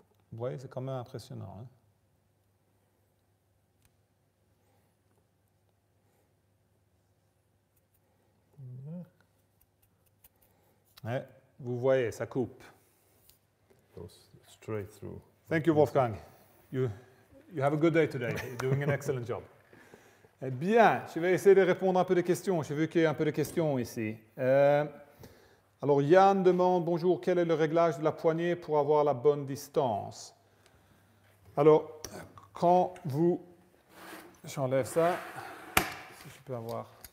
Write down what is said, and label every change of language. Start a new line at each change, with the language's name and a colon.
French: Vous voyez, c'est quand même impressionnant. Hein? Ouais, vous voyez, ça coupe.
English: Goes straight through. Thank you, Wolfgang. You have a good day today. You're doing an excellent job.
French: Eh bien, je vais essayer de répondre un peu de questions. J'ai vu qu'il y a un peu de questions ici. Alors, Yann demande, bonjour, quel est le réglage de la poignée pour avoir la bonne distance? Alors, quand vous... J'enlève ça, si je peux avoir...